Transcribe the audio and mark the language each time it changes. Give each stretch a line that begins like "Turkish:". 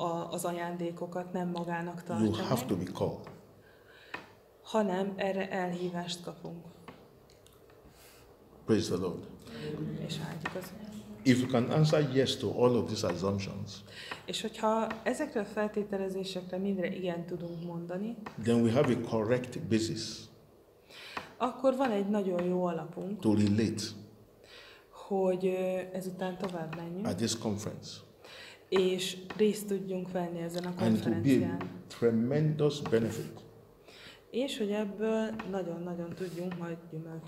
Hungarian: Az ajándékokat nem magának tartja.
English: You have to be called.
Hungarian: Hanem erre elhívást kapunk.
English: Praise the Lord.
Hungarian: És áldjuk az Urat.
English: If you can answer yes to all of these assumptions.
Hungarian: És hogyha ezekre a feltételezésekre mindre igen tudunk mondani.
English: Then we have a correct basis.
Hungarian: Akkor van egy nagyon jó alapunk.
English: To relate.
Hungarian: Hogy ezután tovább menjünk.
English: At this conference.
Hungarian: És részt tudjunk venni ezen a konferencián.
English: And to be a tremendous benefit.
Hungarian: És hogy ebből nagyon-nagyon tudjunk majd gyümölcsöt.